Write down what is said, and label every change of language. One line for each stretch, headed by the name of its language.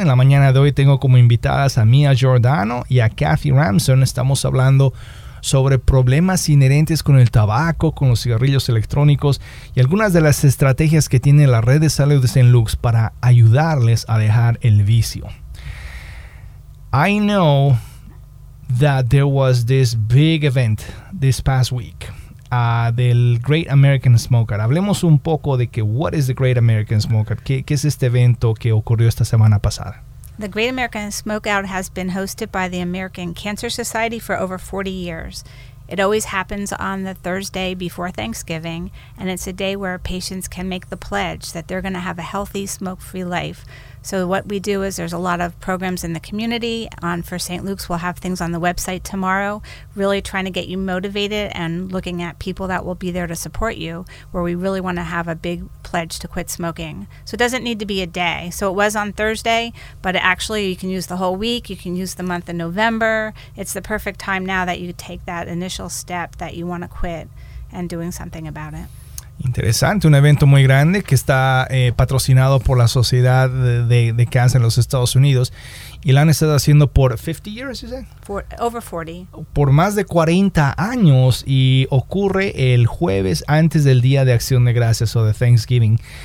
Spanish: En la mañana de hoy tengo como invitadas a Mia Giordano y a Kathy Ramson. Estamos hablando sobre problemas inherentes con el tabaco, con los cigarrillos electrónicos y algunas de las estrategias que tiene la red de salud de St. Luke's para ayudarles a dejar el vicio.
English: I know that there was this big event this past week.
Spanish: del Great American Smoker. Hablemos un poco de que,
English: what is the Great American Smoker?
Spanish: ¿Qué es este evento que ocurrió esta semana pasada?
English: The Great American Smokeout has been hosted by the American Cancer Society for over 40 years. It always happens on the Thursday before Thanksgiving, and it's a day where patients can make the pledge that they're going to have a healthy, smoke-free life. So what we do is there's a lot of programs in the community. On for St. Luke's, we'll have things on the website tomorrow, really trying to get you motivated and looking at people that will be there to support you, where we really want to have a big pledge to quit smoking. So it doesn't need to be a day. So it was on Thursday, but actually you can use the whole week. You can use the month of November. It's the perfect time now that you take that initial step that you want to quit and doing something about it.
Spanish: Interesante, un evento muy grande que está patrocinado por la Sociedad de Cáncer en los Estados Unidos y lo han estado haciendo por 50
English: years, you say? Over 40.
Spanish: Por más de 40 años y ocurre el jueves antes del Día de Acción de Gracias o de Thanksgiving.